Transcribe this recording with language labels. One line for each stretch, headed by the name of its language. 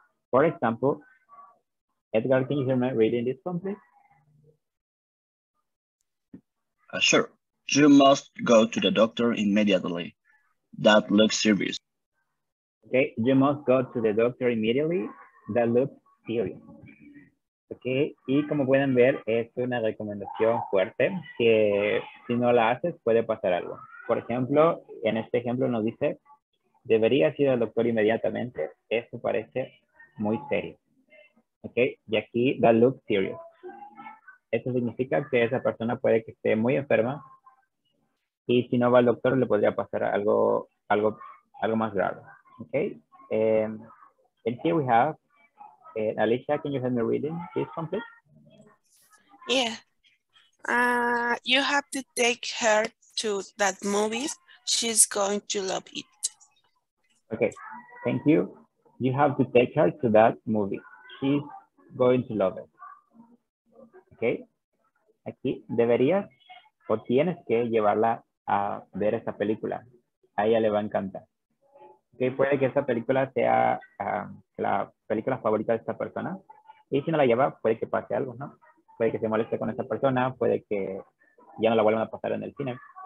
English: For example, Edgar, can you hear me reading this one, please? Sure. You must go to the doctor immediately. That looks serious. Okay, you must go to the doctor immediately. That looks serious.
Spanish: Okay, y como pueden ver, es una recomendación fuerte que si no la haces puede pasar algo. Por ejemplo, en este ejemplo nos dice, deberías ir al doctor inmediatamente. Eso parece muy serio. Okay, y aquí,
English: that looks serious.
Spanish: Eso significa que esa persona puede que esté muy enferma y si no va al doctor le podría pasar algo más grave.
English: Okay, and here we have Alicia, can you help me reading this one, please? Yeah. You have to take her to that movie. She's going to love it. Okay. Thank you. You have to take her to that movie. She's going to love it. Okay.
Spanish: Aquí deberías o tienes que llevarla a ver esa película. A ella le va a encantar. Okay, puede que esta película sea la película favorita de esta persona. Y si no la lleva, puede que pase algo, ¿no? Puede que se moleste con esta persona, puede que ya no la vuelvan a pasar en el cine.